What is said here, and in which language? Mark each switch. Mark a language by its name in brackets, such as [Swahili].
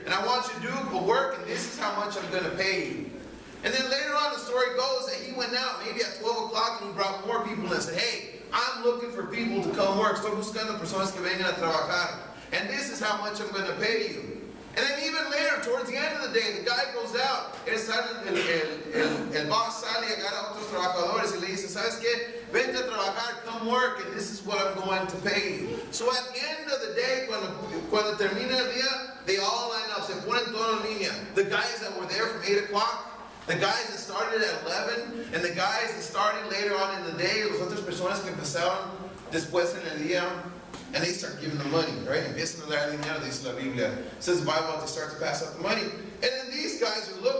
[English] And I want you to do the work, and this is how much I'm going to pay you. And then later on the story goes that he went out maybe at 12 o'clock and he brought more people and said, hey, I'm looking for people to come work. [Spanish] Estoy buscando personas que vengan a trabajar. [English] And this is how much I'm going to pay you. And then even later, towards the end of the day, the guy goes out. [Spanish] El boss sale y agarra otros trabajadores y le dice, ¿sabes qué? Vente a trabajar, [English] come work, and this is what I'm going to pay you. So at the end of the day, [Spanish] cuando termina el día, [English] they all line up. [Spanish] Se ponen toda la línea. [English] The guys that were there from 8 o'clock, the guys that started at 11, and the guys that started later on in the day, [Spanish] los otras personas que empezaron después en el día, [English] and they start giving the money, right? [Spanish] Empiezan a dar dinero, dice la Biblia. [English] It says the Bible, they start to pass out the money. And then these guys are